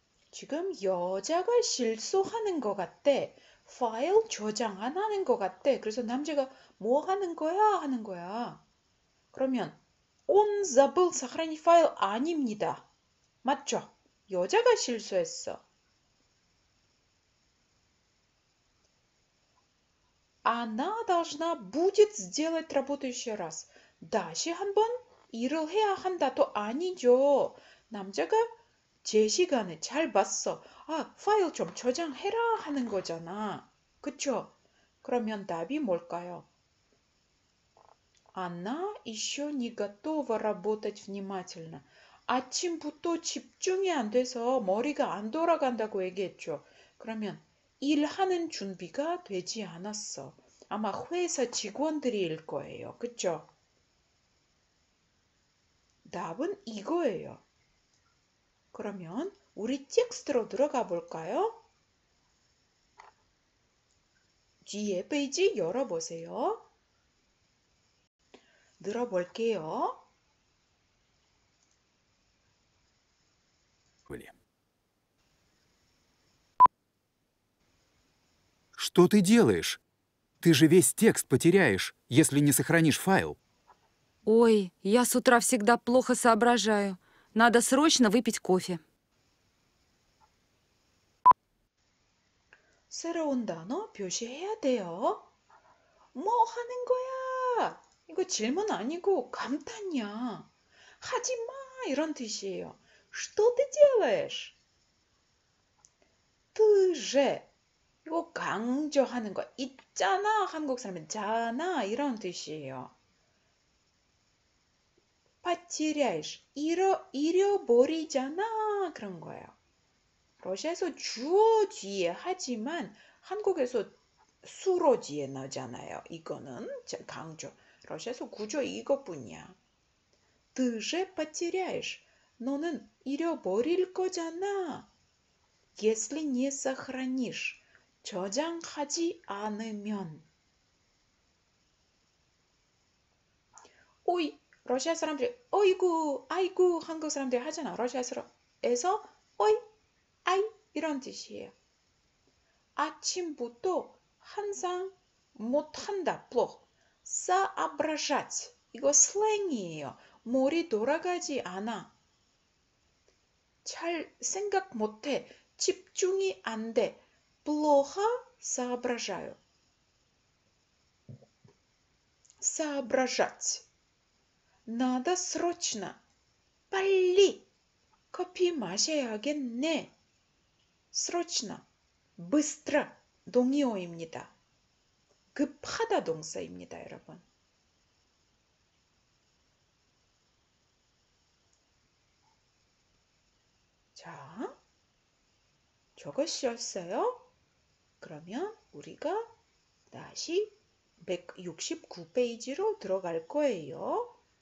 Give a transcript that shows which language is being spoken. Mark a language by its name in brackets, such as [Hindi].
[Korean] 지금 여자가 실수하는 것 같아. 파일 저장 안 하는 것 같아. 그래서 남자가 뭐 하는 거야? 하는 거야. 그러면 [Russian] он забыл сохранить файл [Korean] 아닙니다. 맞죠? 여자가 실수했어. [Russian] она должна будет сделать работу еще раз. [Korean] 다시 한번 일을 해야 한다도 아니죠. 남자가 제 시간에 잘 봤어. 아, 파일 좀 저장해라 하는 거잖아. 그쵸? 그러면 답이 뭘까요? [Russian] Она еще не готова работать внимательно. [Korean] 아침부터 집중이 안 돼서 머리가 안 돌아간다고 얘기했죠. 그러면 일하는 준비가 되지 않았어. 아마 회사 직원들일 거예요. 그쵸? 답은 이거예요. 그러면 우리 텍스트로 들어가 볼까요? 뒤에 페이지 열어보세요. 들어볼게요. 윌리엄. [Russian] Что ты делаешь? Ты же весь текст потеряешь, если не сохранишь файл. Ой, я с утра всегда плохо соображаю. Надо срочно выпить кофе. [Korean] 새로운 단어 표시해야 돼요. 뭐 하는 거야? 이거 질문 아니고 감탄이야. 하지 마! 이런 뜻이에요. [Russian] Что ты делаешь? Ты же. [Korean] 이거 강조하는 거. 있잖아. 한국 사람은 자나. 이런 뜻이에요. потеряешь, 잃어버리잖아, 그런 거예요. 러시아에서 주어 뒤에 하지만 한국에서 수로 뒤에 넣잖아요. 이거는 강조. 러시아에서 구조 이것뿐이야. [Russian] Ты же потеряешь, [Korean] 너는 잃어버릴 거잖아. [Russian] Если не сохранишь, [Korean] 저장하지 않으면. 오이. 러시아 사람들이 어이구, 아이구 한국 사람들이 하잖아. 러시아에서 어이, 아이 이런 뜻이에요. 아침부터 항상 못한다, 뿌록. соображать 이거 슬랭이에요. 머리 돌아가지 않아. 잘 생각 못해. 집중이 안 돼. [Russian] 뿌록하 соображаю. соображать Надо срочно, [Korean] 빨리, 커피 마셔야겠네. [Russian] срочно, быстро, [Korean] 동의어입니다. 급하다 동사입니다, 여러분. 자, 적으셨어요? 그러면 우리가 다시 169페이지로 들어갈 거예요.